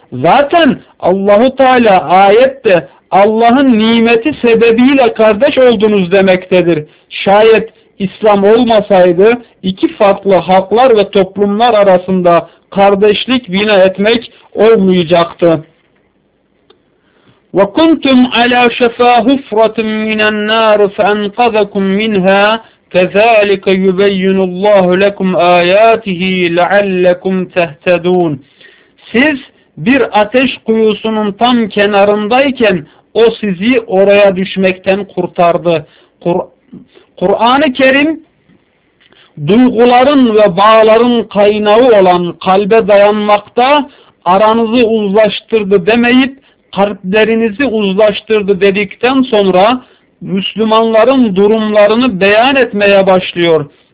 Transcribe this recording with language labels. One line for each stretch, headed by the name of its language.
Turkish: Zaten Allah-u Teala ayette Allah'ın nimeti sebebiyle kardeş oldunuz demektedir. Şayet İslam olmasaydı iki farklı halklar ve toplumlar arasında kardeşlik bina etmek olmayacaktı.
Arabic: وَكُنْتُمْ عَلَى شَفَا حُفْرَةٍ مِنَ النَّارِ فَاَنْقَذَكُمْ مِنْهَا كَذَٰلِكَ يُبَيِّنُ اللّٰهُ لَكُمْ آيَاتِهِ لَعَلَّكُمْ تَهْتَدُونَ
Turkish: Siz bir ateş kuyusunun tam kenarındayken o sizi oraya düşmekten kurtardı. Kur'an-ı Kerim duyguların ve bağların kaynağı olan kalbe dayanmakta aranızı uzlaştırdı demeyip kalplerinizi uzlaştırdı dedikten sonra Müslümanların durumlarını beyan etmeye başlıyor.